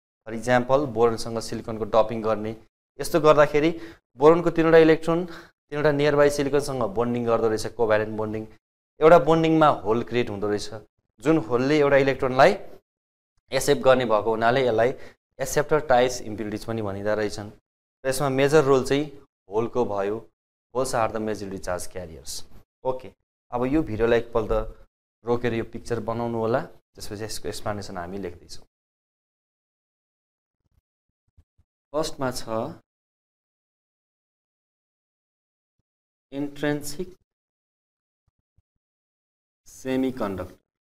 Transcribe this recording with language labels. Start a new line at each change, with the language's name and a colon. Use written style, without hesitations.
Nepali: For example, बोरनसँग सिलिकनको डपिङ गर्ने, यस्तो गर्दाखेरि बोरनको तिनवटा इलेक्ट्रोन तिनवटा नियर बाई सिलिकनसँग बन्डिङ गर्दो रहेछ, कोभ्यालेन्ट बन्डिङ. एउटा बन्डिङमा होल क्रिएट हुँदो रहेछ, जुन होलले एउटा इलेक्ट्रोनलाई एक्सेप्ट गर्ने भएको हुनाले यसलाई एक्सेप्टर टाइप इम्प्युरिटिज पनि भनिँदो रहेछन्. र यसमा मेजर रोल चाहिँ होलको भयो.
English: Holes are the majority charge carriers.
Nepali: Okay, अब यो भिडियोलाई एकपल्ट रोकेर यो पिक्चर बनाउनु होला, त्यसपछि यसको एक्सप्लेनेसन हामी लेख्दैछौँ. फर्स्टमा छ इन्ट्रेन्सिक सेमी कन्डक्टर.